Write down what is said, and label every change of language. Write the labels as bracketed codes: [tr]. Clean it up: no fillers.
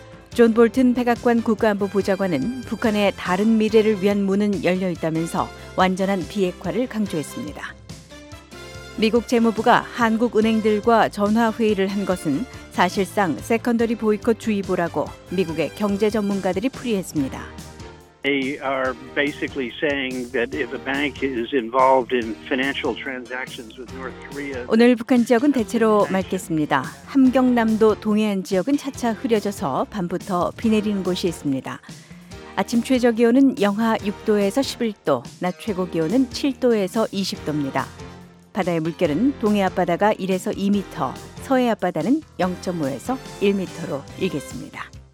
[ko] 존 볼튼 백악관 국가안보 보좌관은 북한의 다른 미래를 위한 문은 열려있다면서 완전한 비핵화를 강조했습니다. 미국 재무부가 한국은행들과 전화회의를 한 것은 사실상 세컨더리 보이콧 주의보라고 미국의 경제 전문가들이 풀이했습니다. [en] They are basically saying that if a bank is involved in financial transactions with North Korea. [ko] 오늘 북한 지역은 대체로 맑겠습니다. 함경남도 동해안 지역은 차차 흐려져서 밤부터 비 내리는 곳이 있습니다. 아침 최저 기온은 영하 6도에서 11도, 낮 최고 기온은 7도에서 20도입니다. 바다의 물결은 동해 앞바다가 1에서 2m, 서해 앞바다는 0.5에서 1m로 일겠습니다.